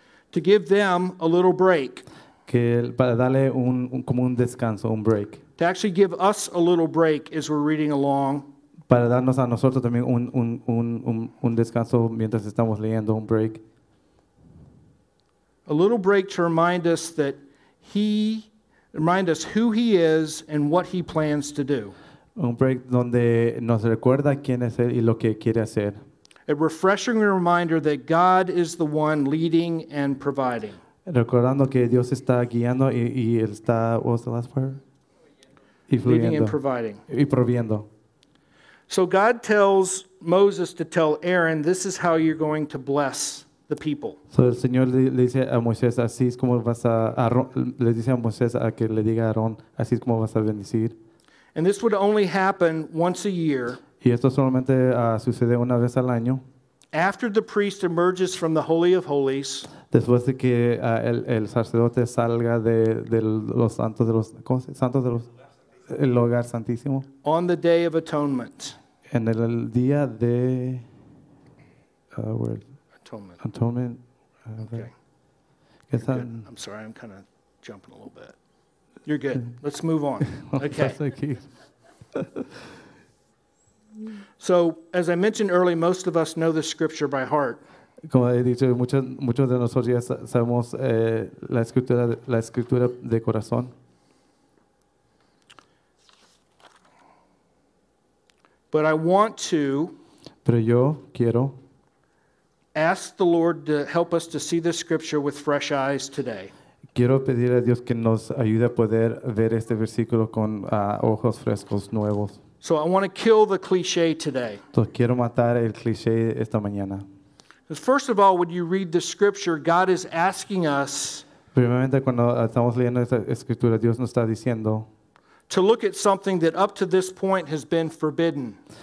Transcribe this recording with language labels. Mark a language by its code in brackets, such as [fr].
[en] to give them a little break. [es] Que para darle como un descanso, un break. [en] To actually give us a little break as we're reading along. [es] Para darnos a nosotros también un descanso mientras estamos leyendo, un break. [en] A little break to remind us who he is and what he plans to do. [es] Un break donde nos recuerda quién es él y lo que quiere hacer. [en] A refreshing reminder that God is the one leading and providing. [es] Recordando que Dios está guiando y él está, [en] what's the last part? Leading and providing. [es] Y proviendo. [en] So God tells Moses to tell Aaron, this is how you're going to bless the people. [es] So el Señor le dice a Moisés, así es como vas a le dice a Moisés a que le diga a Aarón, así es como vas a bendecir. [en] And this would only happen once a year. [es] Y esto solamente sucede una vez al año. [en] After the priest emerges from the Holy of Holies, [es] después de que el sacerdote salga de los santos de los, ¿cómo se? Santos de los, el lugar santísimo. [en] On the Day of Atonement. [es] En el día de [en] Atonement. Atonement. Okay. I'm sorry, I'm kind of jumping a little bit. You're good. Let's move on. Okay. <That's like Keith. laughs> So, as I mentioned earlier, most of us know the scripture by heart. [es] Como he dicho, muchos de nosotros ya sabemos la escritura de corazón. [en] But I want to [es] Pero yo quiero [en] ask the Lord to help us to see the scripture with fresh eyes today. [es] Quiero pedir a Dios que nos ayude a poder ver este versículo con ojos frescos nuevos. [en] So I want to kill the cliché today. [es] Entonces, quiero matar el cliché esta mañana. [en] First of all, when you read the scripture, God is asking us [es] Primeramente, cuando estamos leyendo esta escritura, Dios nos está diciendo [en] to look at something that up to this point has been forbidden.